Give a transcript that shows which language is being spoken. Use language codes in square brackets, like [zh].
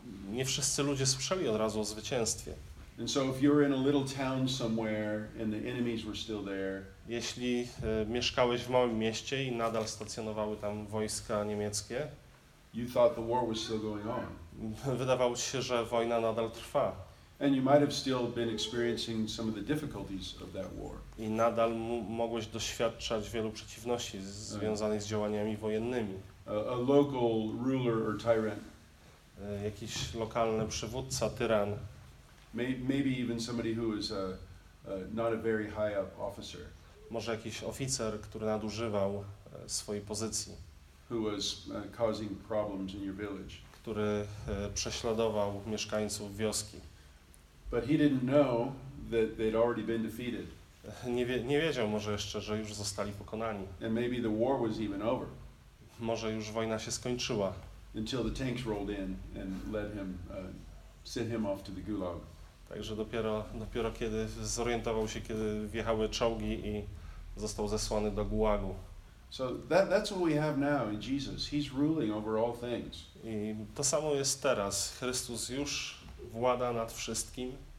[pl] Nie wszyscy ludzie słyszeli od razu o zwycięstwie. [en] And so if you're in a little town somewhere and the enemies were still there. [pl] Jeśli mieszkałeś w małym mieście i nadal stacjonowały tam wojska niemieckie. [en] You thought the war was still going on. [pl] Wydawało ci się, że wojna nadal trwa. [en] And you might have still been experiencing some of the difficulties of that war. [pl] I nadal mogłeś doświadczać wielu przeciwności związanych z działaniami wojennymi. [en] A local ruler or tyrant. [pl] Jakiś lokalny przywódca, tyran. [en] Maybe even somebody who is not a very high up officer. [pl] Może jakiś oficer, który nadużywał swojej pozycji. [en] Who was causing problems in your village. [pl] Który prześladował mieszkańców wioski. [en] But he didn't know that they'd already been defeated. [pl] Nie wiedział może jeszcze, że już zostali pokonani. [en] And maybe the war was even over. [pl] Może już wojna się skończyła. [en] Until the tanks rolled in and led him sent him off to the gulag. [pl] Także dopiero kiedy zorientował się, kiedy wjechały czołgi i został zesłany do gułagu. [en] So that's what we have now in Jesus. He's ruling over all things. [pl] I to samo jest teraz. Chrystus już włada nad wszystkim.